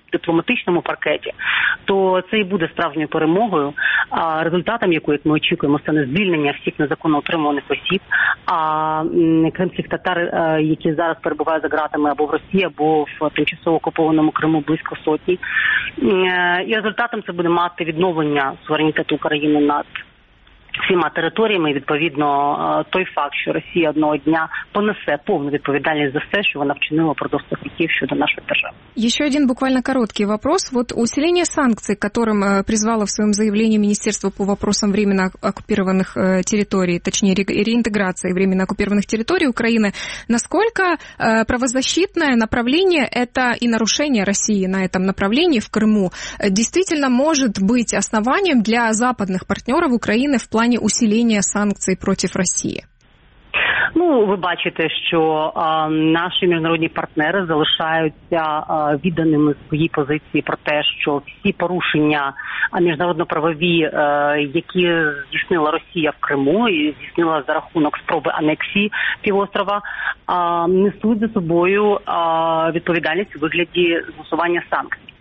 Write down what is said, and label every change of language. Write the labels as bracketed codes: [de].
[uk] дипломатичному паркеті, то це і буде справжньою перемогою, результатом якої ми очікуємо, стане звільнення всіх незаконно утримуваних осіб, а кримських татар, які зараз перебувають за ґратами або в Росії, або в тимчасово окупованому Криму, близько сотні. І результатом це буде мати відновлення суверенітету України над всіма територіями, відповідно, той факт, що Росія одного дня понесе повну відповідальність за все, що вона вчинила впродовж цих років щодо нашої держави. [ru] Еще один буквально короткий вопрос. Вот усиление санкций, которым призвало в своем заявлении Министерство по вопросам временно оккупированных территорий, точнее, реинтеграции временно оккупированных территорий Украины, насколько правозащитное направление это и нарушение России на этом направлении в Крыму действительно может быть основанием для западных партнеров Украины [uk] в плані усилення санкцій проти Росії? Ну, ви бачите, що наші міжнародні партнери залишаються відданими своїй позиції про те, що всі порушення міжнародно-правові, які здійснила Росія в Криму і здійснила за рахунок спроби анексії півострова, несуть за собою відповідальність у вигляді застосування санкцій.